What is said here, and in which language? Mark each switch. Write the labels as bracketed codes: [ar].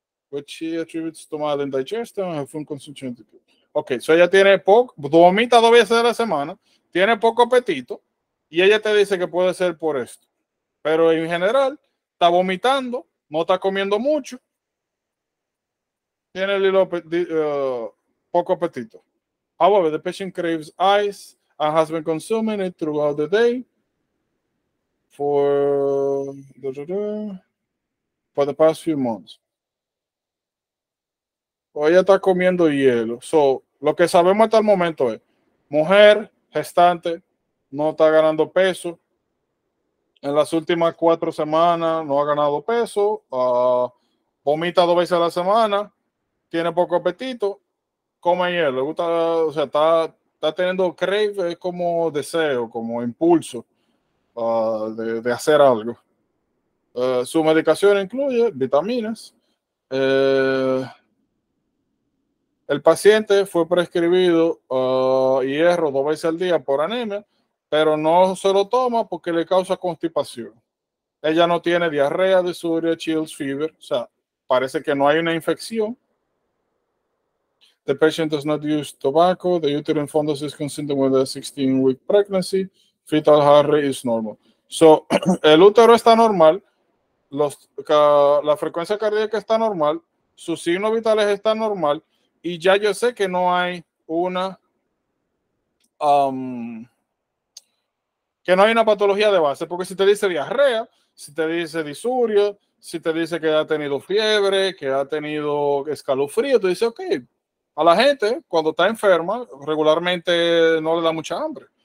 [en] Which she attributes to mal in digestion and food consumption. [es] Okay, so ella tiene poco, vomita dos veces a la semana, tiene poco apetito y ella te dice que puede ser por esto. Pero en general, está vomitando, no está comiendo mucho, tiene el hilo poco apetito. [en] However, the patient craves ice and has been consuming it throughout the day for the past few months. [es] O ella está comiendo hielo. So, lo que sabemos hasta el momento es, mujer, gestante, no está ganando peso. En las últimas 4 semanas no ha ganado peso, vomita 2 veces a la semana, tiene poco apetito, come hielo, le gusta, o sea, está teniendo crave, es como deseo, como impulso de hacer algo. Su medicación incluye vitaminas. El paciente fue prescribido hierro 2 veces al día por anemia, pero no se lo toma porque le causa constipación. Ella no tiene diarrea, disuria, [en] chills, fever. [es] O sea, parece que no hay una infección. [en] The patient does not use tobacco. The uterine fundus is consistent with a 16-week pregnancy. Fetal heart rate is normal. So, [es] el útero está normal. La frecuencia cardíaca está normal. Sus signos vitales están normal. Y ya yo sé que no hay una... que no hay una patología de base, porque si te dice diarrea, si te dice disuria, si te dice que ha tenido fiebre, que ha tenido escalofrío, tú dices, ok, a la gente cuando está enferma, regularmente no le da mucha hambre.